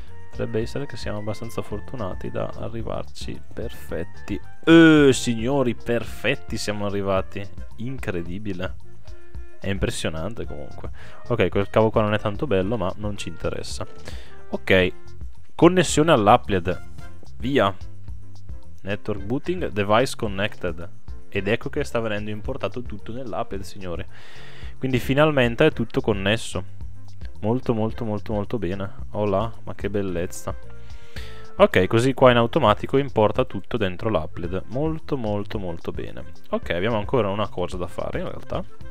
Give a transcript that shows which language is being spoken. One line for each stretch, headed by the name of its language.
Italian: Potrebbe essere che siamo abbastanza fortunati da arrivarci perfetti. Signori, perfetti siamo arrivati. Incredibile. È impressionante comunque. Ok, quel cavo qua non è tanto bello, ma non ci interessa. Ok, connessione all'Applied. Via.
English: Network booting, device connected.
Italian: Ed ecco che sta venendo importato tutto nell'Applied, signori. Quindi finalmente è tutto connesso. Molto molto molto molto bene. Olà, ma che bellezza. Ok, così qua in automatico importa tutto dentro l'Applied. Molto molto molto bene. Ok, abbiamo ancora una cosa da fare in realtà.